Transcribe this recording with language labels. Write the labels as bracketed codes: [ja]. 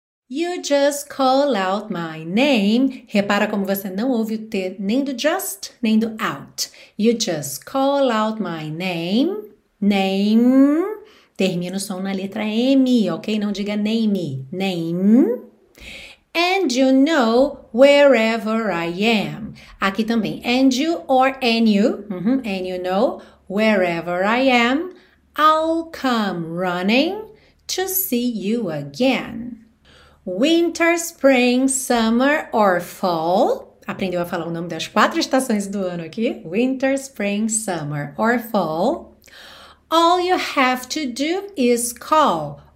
[en] You just call out my name. [pt] Repara como você não ouve o T nem do just, nem do out. [en] You just call out my name. [pt] Name. Termina o som na letra M, ok? Não diga [en] name. Name. And you know wherever I am. [pt] Aqui também. [en] And you or and you. And you know wherever I am. I'll come running to see you again. Winter, spring, summer or fall. [pt] Aprendeu a falar o nome das quatro estações do ano aqui. [en] Winter, spring, summer or fall. All you have to do is call.